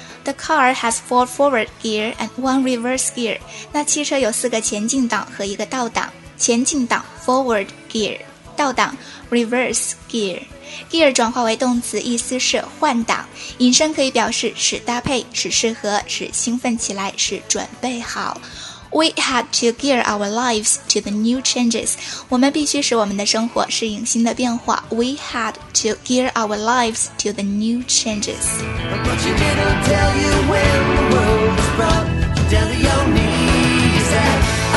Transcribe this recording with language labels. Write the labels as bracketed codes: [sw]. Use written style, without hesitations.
[en] The car has four forward gear and one reverse gear. [zh] 那汽车有四个前进档和一个倒档。前进档 [en] forward gear, [zh] 倒档 [en] reverse gear. [zh] Gear 转化为动词，意思是换挡，引申可以表示使搭配、使适合、使兴奋起来、使准备好。 [en] We had to gear our lives to the new changes. [zh] 我们必须使我们的生活适应新的变化。 [en] We had to gear our lives to the new changes. But you didn't tell you when the world's brought you down to your knees at.